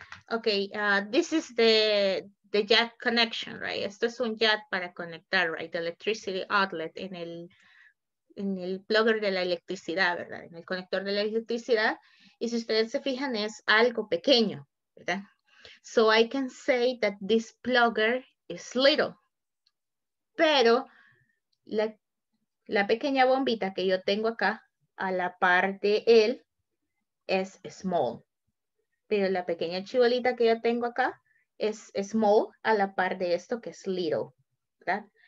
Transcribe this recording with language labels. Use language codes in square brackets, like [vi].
[en] Ok, this is the JAT connection, right? [es] Esto es un JAT para conectar, right? [en] The electricity outlet [es] en el plugger de la electricidad, ¿verdad? En el conector de la electricidad. Y si ustedes se fijan, es algo pequeño, ¿verdad? [en] So I can say that this plugger is little. [es] Pero la pequeña bombita que yo tengo acá a la par de él es small. Pero la pequeña chibolita que yo tengo acá es small a la par de esto que es little, ¿verdad?